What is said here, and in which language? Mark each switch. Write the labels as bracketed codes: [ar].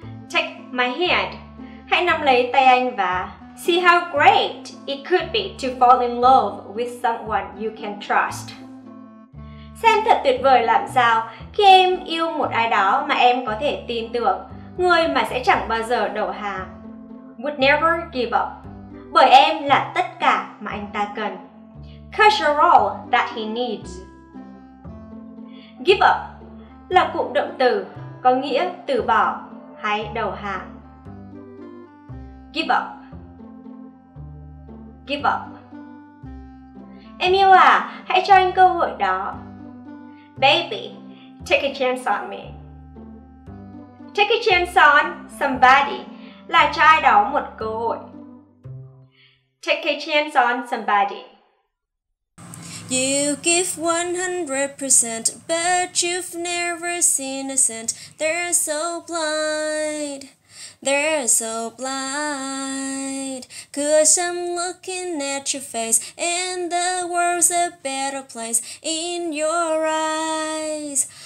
[en] Take my hand. [vi] Hãy nắm lấy tay anh và [en] see how great it could be to fall in love with someone you can trust. [vi] Xem thật tuyệt vời làm sao khi em yêu một ai đó mà em có thể tin tưởng, người mà sẽ chẳng bao giờ đầu hàng. [en] Would never give up. [vi] Bởi em là tất cả mà anh ta cần. [en] 'Cause you're all that he needs. [vi] Give up là cụm động từ có nghĩa từ bỏ hay đầu hàng. Give up. [en] Give up. [vi] Em yêu à, hãy cho anh cơ hội đó. [en] Baby, take a chance on me. Take a chance on somebody [vi] là cho ai đó một cơ hội. [en] Take a chance on somebody. You give 100% but you've never seen a cent. They're so blind. They're so blind. 'Cause I'm looking at your face and the world's a better place in your eyes.